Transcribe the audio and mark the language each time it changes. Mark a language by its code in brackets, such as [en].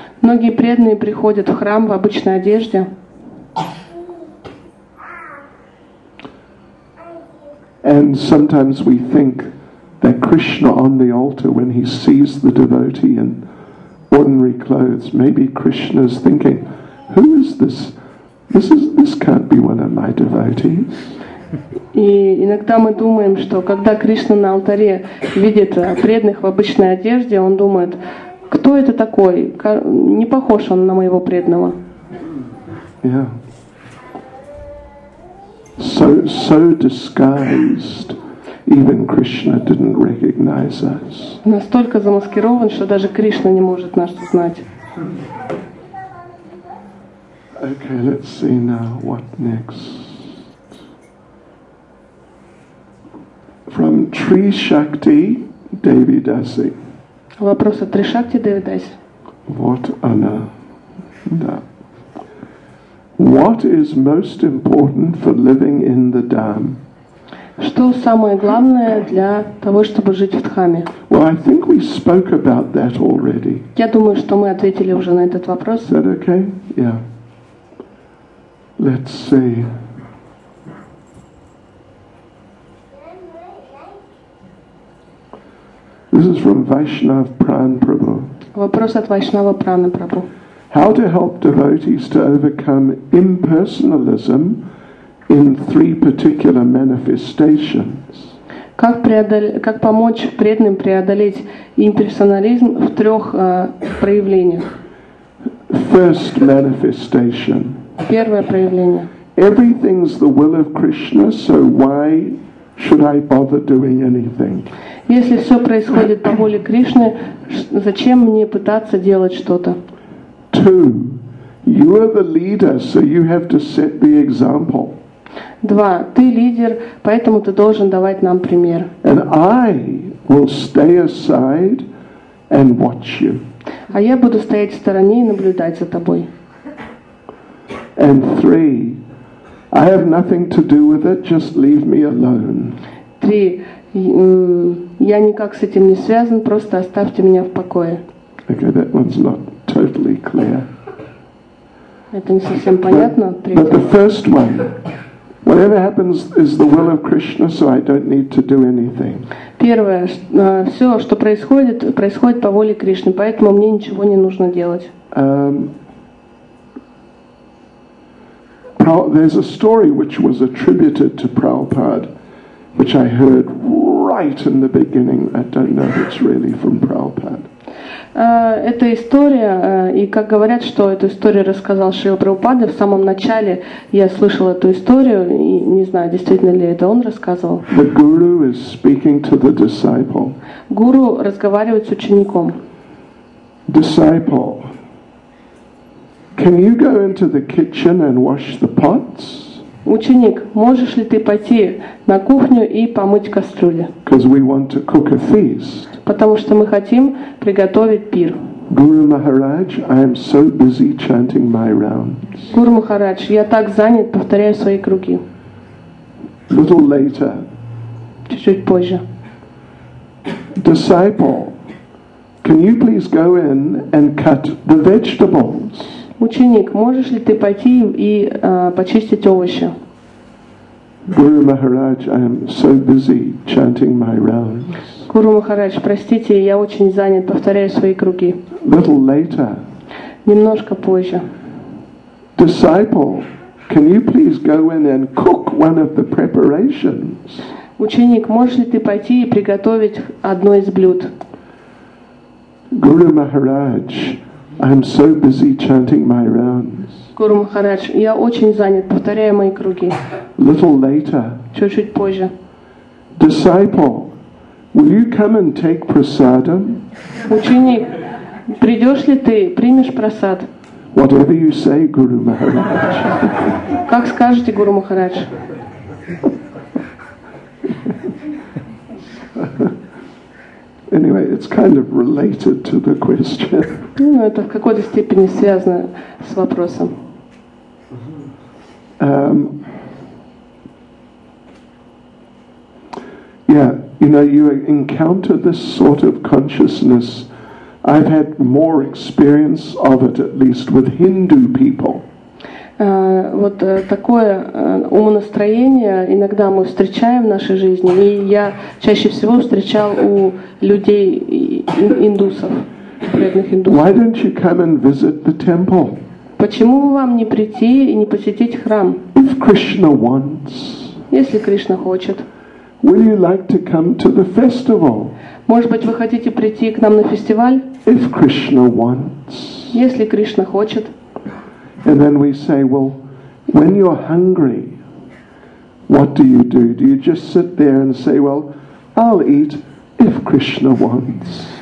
[ru] Многие преданные приходят в храм в обычной одежде. [en] And sometimes we think that Krishna on the altar, when he sees the devotee in ordinary clothes, maybe Krishna's thinking, who is this? This can't be one of my devotees. [ru] И иногда мы думаем, что когда Кришна на алтаре видит преданных в обычной одежде, он думает, кто это такой? Не похож он на моего преданного. [en] Yeah. So disguised, even Krishna didn't recognize us. [ru] Настолько замаскирован, что даже Кришна не может нас узнать. [en] Okay, let's see now what next. From Tri Shakti Devi Dasi. [ru] Вопрос от Tri Shakti Devi Dasi. [en] What Anna? [ru] Да. [en] What is most important for living in the Dham? [ru] Что самое главное для того, чтобы жить в Дхаме? [en] Well, I think we spoke about that already. [ru] Я думаю, что мы ответили уже на этот вопрос. [en] Is that okay? Yeah. Let's see. This is from Vaishnav Pran Prabhu. [ru] Вопрос от Вайшнава Праны Прабху. [en] How to help devotees to overcome impersonalism in three particular manifestations? [ru] Как помочь преданным преодолеть имперсонализм в трех проявлениях? [en] First manifestation. [ru] Первое проявление. [en] Everything's the will of Krishna, so why should I bother doing anything? [ru] Если все происходит по воле Кришны, зачем мне пытаться делать что-то? [en] Two. You are the leader, so you have to set the example. [ru] Два. Ты лидер, поэтому ты должен давать нам пример. [en] And I will stay aside and watch you. [ru] А я буду стоять в стороне и наблюдать за тобой. [en] And three, I have nothing to do with it, just leave me alone. [ru] Три, я никак с этим не связан, просто оставьте меня в покое. [en] Okay, that one's not totally clear. [ru] Это не совсем понятно. [en] But the first one, whatever happens is the will of Krishna, so I don't need to do anything. [ru] Первое, все, что происходит, происходит по воле Кришны, поэтому мне ничего не нужно делать. [en] There's a story which was attributed to Prabhupada, which I heard right in the beginning. I don't know if it's really from Prabhupada. [ru] Эта история, и как говорят, что эту историю рассказал Шрила Прабхупада, в самом начале я слышал эту историю, и не знаю, действительно ли это он рассказывал. [en] The guru is speaking to the disciple. [ru] Гуру разговаривает с учеником. [en] Disciple, can you go into the kitchen and wash the pots? [ru] Ученик, можешь ли ты пойти на кухню и помыть кастрюли? [en] Because we want to cook a feast. [ru] Потому что мы хотим приготовить пир. [en] Guru Maharaj, I am so busy chanting my rounds. [ru] Гуру Махарадж, я так занят, повторяю свои круги. [en] Little later. [ru] Чуть-чуть позже. [en] Disciple, can you please go in and cut the vegetables? [ru] Ученик, можешь ли ты пойти и почистить овощи? [en] Guru Maharaj, I am so busy chanting my rounds. [ru] Гуру Махарадж, простите, я очень занят, повторяю свои круги. [en] Little later. [ru] Немножко позже. [en] Disciple, can you please go in and cook one of the preparations? [ru] Ученик, можешь ли ты пойти и приготовить одно из блюд? [en] Guru Maharaj, I'm so busy chanting my rounds. [ru] Гуру Махарадж, я очень занят, повторяю мои круги. [en] Little later. [ru] Чуть-чуть позже. [en] Disciple, will you come and take prasadam? [ru] Ученик, придешь ли ты, примешь прасад? [en] Whatever you say, Guru Maharaj. [ru] Как скажете, Гуру Махарадж? [en] Anyway, it's kind of related to the question. [ru] Ну, это в какой-то степени связано с вопросом. [en] Yeah, you know, you encounter this sort of consciousness. I've had more experience of it, at least with Hindu people. [ru] Вот такое умонастроение иногда мы встречаем в нашей жизни, и я чаще всего встречал у людей индусов, преданных индусов. [en] Why don't you come and visit the temple? [ru] Почему вам не прийти и не посетить храм? [en] If Krishna wants. [ru] Если Кришна хочет. [en] Would you like to come to the festival? [ru] Может быть, вы хотите прийти к нам на фестиваль? [en] If Krishna wants. [ru] Если Кришна хочет. [en] And then we say, well, when you're hungry, what do you do? Do you just sit there and say, well, I'll eat if Krishna wants?